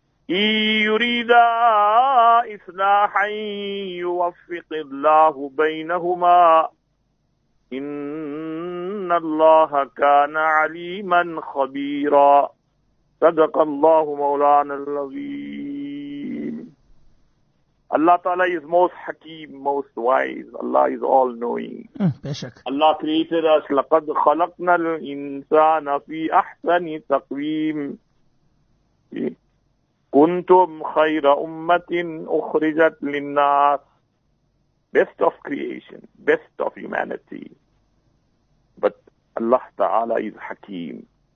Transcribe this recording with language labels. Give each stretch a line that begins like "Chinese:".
Arabic: إن يريدا إصلاحا يوفق الله بينهما إن الله كان عليما خبيرا صدق الله مولانا العظيم.
English: Allah Ta'ala is most hakeem, most wise. Allah is all knowing. Allah created us.
Arabic: لقد خلقنا الإنسان في أحسن تقويم كنتم خير أمة أخرجت للناس.
English: Best of creation, best of humanity. But Allah Ta'ala is hakeem.